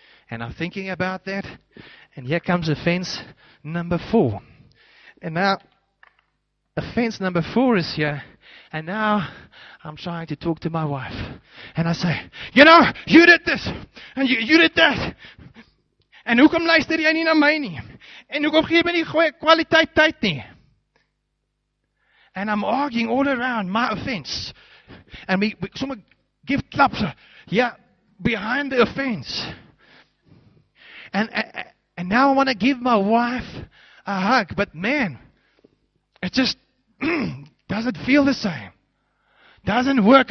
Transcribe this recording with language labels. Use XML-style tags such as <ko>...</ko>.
<en>And I'm thinking about that, and here comes offense number four. And now, offense number four is here, and now I'm trying to talk to my wife. And I say, you know, you did this, and you did that. And</en> <af>hoekom luister jy nie na my nie? En hoekom gee jy nie goeie kwaliteit tyd nie?</af> <en>And I'm arguing all around my offense. And we someone give claps, yeah, behind the offense. And now I want to give my wife a hug. But man, it just doesn't feel the same. Doesn't work.</en>